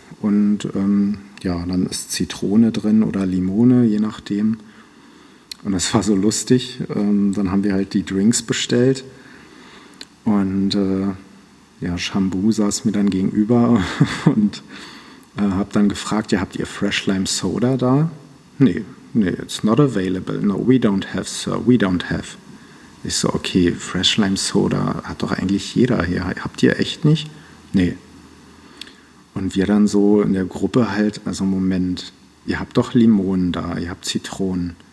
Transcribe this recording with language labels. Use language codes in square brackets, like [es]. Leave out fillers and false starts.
[de] Und dann ist Zitrone drin oder Limone, je nachdem. Und das war so lustig. Dann haben wir halt die Drinks bestellt. Und Shambu saß mir dann gegenüber und habe dann gefragt, ja, habt ihr Fresh Lime Soda da? [en] Nee, it's not available. No, we don't have, sir, we don't have. [de] Ich so, okay, Fresh Lime Soda hat doch eigentlich jeder hier. Habt ihr echt nicht? Nee. Und wir dann so in der Gruppe halt, also Moment, ihr habt doch Limonen da, ihr habt Zitronen.